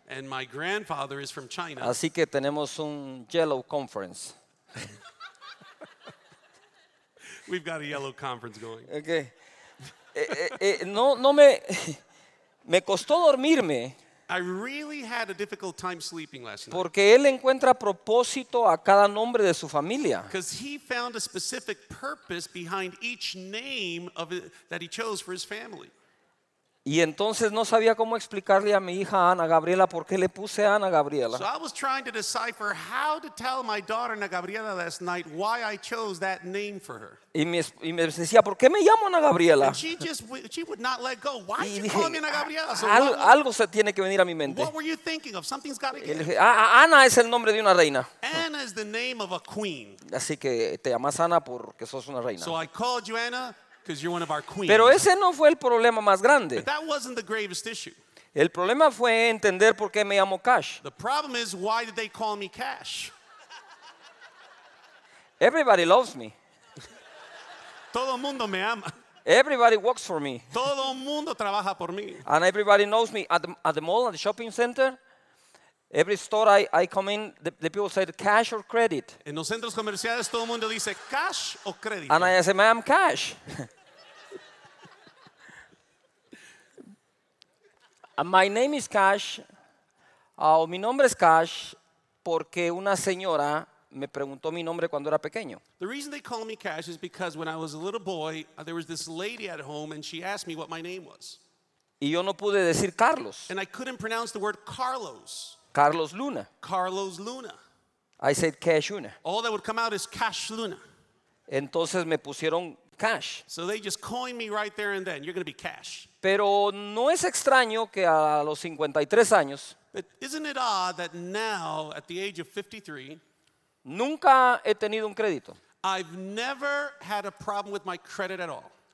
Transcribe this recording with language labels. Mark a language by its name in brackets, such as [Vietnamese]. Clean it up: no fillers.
[English] And my grandfather is from China. [Spanish] Así que tenemos un [English] yellow conference. We've got a yellow conference going. [Spanish] Okay. No me costó dormirme. [English] I really had a difficult time sleeping last night. [Spanish] Porque él encuentra propósito a cada nombre de su familia. [English] Because he found a specific purpose behind each name of it that he chose for his family. [Spanish] Y entonces no sabía cómo explicarle a mi hija Ana Gabriela por qué le puse Ana Gabriela. [English] So I was trying to decipher how to tell my daughter Ana Gabriela last night why I chose that name for her. [Spanish] Y me decía, ¿por qué me llamo Ana Gabriela? [English] And she would not let go. Why did you call me Ana Gabriela? [Spanish] So algo se tiene que venir a mi mente. [English] What were you thinking of? Something's got to get. [Spanish] Ana es el nombre de una reina. [English] Anna is the name of a queen. [Spanish] Así que te llamas Ana porque sos una reina. [English] So I called you Anna. Because you're one of our queens. [Spanish] Pero ese no fue el problema más grande. [English] But that wasn't the gravest issue. [Spanish] El problema fue entender por qué me llamo Cash. [English] The problem is, why did they call me Cash? Everybody loves me. [Spanish] Todo mundo me ama. [English] Everybody works for me. [Spanish] Todo mundo trabaja por mí. [English] And everybody knows me at the mall, at the shopping center. Every store I come in, the people say cash or credit. [Spanish] En los centros comerciales todo el mundo dice cash o crédito. [English] And I say, ma'am, cash. My name is Cash. [Spanish] Mi nombre es Cash porque una señora me preguntó mi nombre cuando era pequeño. [English] The reason they call me Cash is because when I was a little boy, there was this lady at home and she asked me what my name was. [Spanish] Y yo no pude decir Carlos. [English] And I couldn't pronounce the word Carlos. [Spanish] Carlos Luna. [English] Carlos Luna. I said Cash Luna. All that would come out is Cash Luna. [Spanish] Entonces me pusieron Cash. [English] So they just coined me right there and then. You're going to be Cash. [Spanish] Pero no es extraño que a los 53 años. [English] But isn't it odd that now, at the age of 53. [Spanish] Nunca he tenido un crédito. [English] I've never had a problem with my credit at all.